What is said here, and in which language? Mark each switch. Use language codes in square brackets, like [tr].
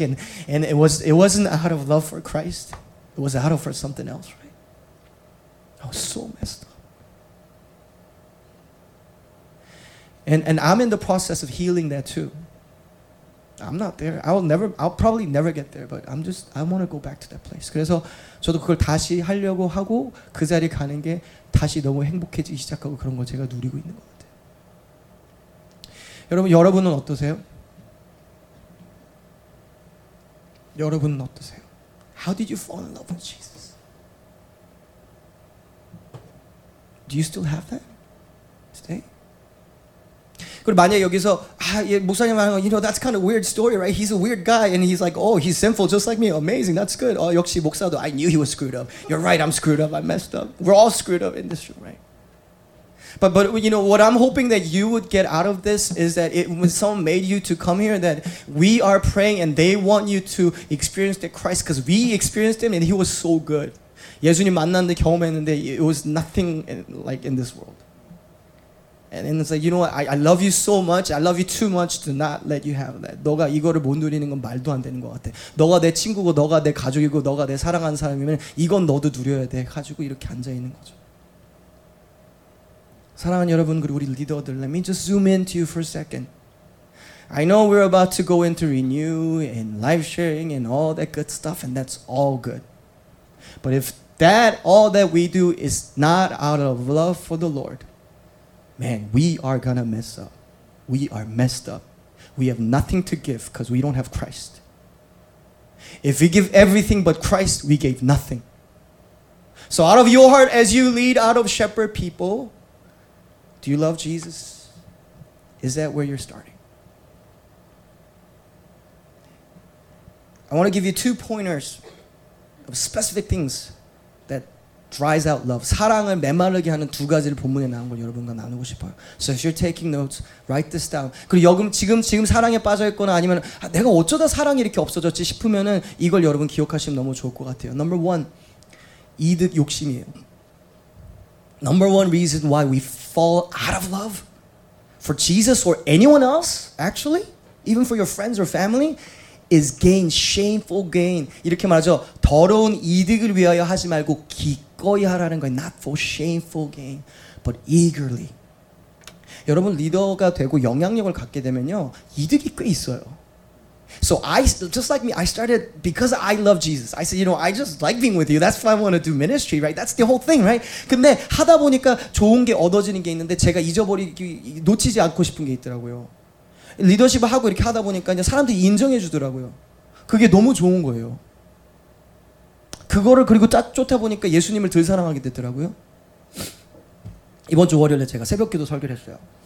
[en] And it wasn't out of love for Christ. It was out of for something else, right? I was so messed up. And I'm in the process of healing that too. I'm not there. I'll probably never get there, but I want to go back to that place. [ko] 그래서 저도 그걸 다시 하려고 하고 그 자리 가는 게 다시 너무 행복해지기 시작하고 그런 거 제가 누리고 있는 것 같아요. 여러분은 어떠세요? 여러분은 어떠세요? [en] How did you fall in love with Jesus? Do you still have that today? [ko] 그리고 만약 여기서 아, 예, 목사님 하는 거, [en] you know, that's kind of a weird story, right? He's a weird guy, and he's like, oh, he's sinful just like me. Amazing, that's good. Oh, [ko] 역시 목사도, [en] I knew he was screwed up. You're right, I'm screwed up. I messed up. We're all screwed up in this room, right? But you know, what I'm hoping that you would get out of this is that it, when someone made you to come here, that we are praying, and they want you to experience the Christ because we experienced him, and he was so good. [ko] 예수님 만났는데 경험했는데, [en] it was nothing in, like in this world. And then it's like, you know what, I love you so much, I love you too much to not let you have that. [ko] 너가 이거를 못 누리는 건 말도 안 되는 것 같아. 너가 내 친구고, 너가 내 가족이고, 너가 내 사랑하는 사람이면 이건 너도 누려야 돼. 가지고 이렇게 앉아있는 거죠. 사랑하는 여러분, 그리고 우리 리더들, [en] let me just zoom into you for a second. I know we're about to go into Renew and life sharing and all that good stuff, and that's all good. But if that, all that we do is not out of love for the Lord, man, we are gonna mess up. We are messed up. We have nothing to give because we don't have Christ. If we give everything but Christ, we gave nothing. So out of your heart, as you lead out of shepherd people, do you love Jesus? Is that where you're starting? I want to give you two pointers of specific things dries out love. [ko] 사랑을 메마르게 하는 두 가지를 본문에 나온 걸 여러분과 나누고 싶어요. [en] So if you're taking notes, write this down. [ko] 그리고 지금 사랑에 빠져 있거나 아니면 아, 내가 어쩌다 사랑이 이렇게 없어졌지 싶으면은 이걸 여러분 기억하시면 너무 좋을 것 같아요. [en] Number one, [ko] 이득 욕심이에요. [en] Number one reason why we fall out of love for Jesus or anyone else, actually, even for your friends or family, is gain, shameful gain. [ko] 이렇게 말하죠. 더러운 이득을 위하여 하지 말고 기꺼이 하라는 거예요. [en] Not for shameful gain, but eagerly. [ko] 여러분, 리더가 되고 영향력을 갖게 되면요. 이득이 꽤 있어요. [en] So I, just like me, I started, because I love Jesus, I said, you know, I just like being with you. That's why I want to do ministry, right? That's the whole thing, right? [ko] 근데 하다 보니까 좋은 게 얻어지는 게 있는데 제가 놓치지 않고 싶은 게 있더라고요. 리더십을 하고 이렇게 하다 보니까 이제 사람들이 인정해 주더라고요. 그게 너무 좋은 거예요. 그거를 그리고 쫓아보니까 예수님을 덜 사랑하게 되더라고요. 이번 주 월요일에 제가 새벽기도 설교를 했어요.